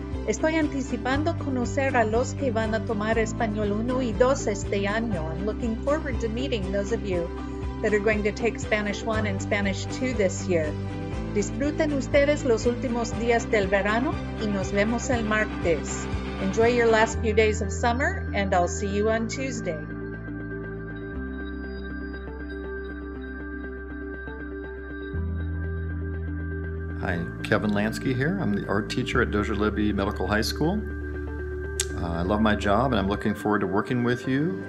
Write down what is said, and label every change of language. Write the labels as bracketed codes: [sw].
[es] Estoy anticipando conocer a los que van a tomar Español 1 y 2 este año. [en] I'm looking forward to meeting those of you that are going to take Spanish 1 and Spanish 2 this year. [es] Disfruten ustedes los últimos días del verano y nos vemos el martes. [en] Enjoy your last few days of summer and I'll see you on Tuesday. Hi, Kevin Lansky here. I'm the art teacher at Dozier-Libbey Medical High School. I love my job and I'm looking forward to working with you.